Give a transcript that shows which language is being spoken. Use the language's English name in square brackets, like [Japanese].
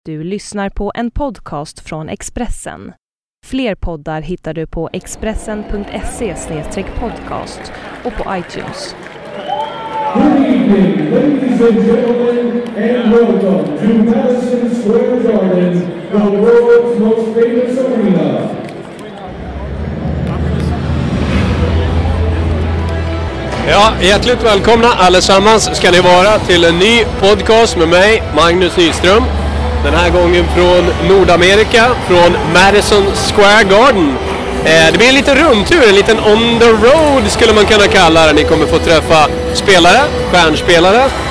[Swedish] Du lyssnar på en podcast från Expressen. Fler poddar hittar du på expressen.se/podcast och på iTunes. [English] Good evening, ladies and gentlemen, and welcome to Madison Square Garden, the world's most famous arena. [Swedish] Ja, hjärtligt välkomna allesammans ska ni vara till en ny podcast med mig, Magnus Nyström. Den här gången från Nordamerika, från Madison Square Garden. Det blir en liten rundtur, en liten [English] on the road [Swedish] skulle man kunna kalla det. Ni kommer få träffa spelare, stjärnspelare.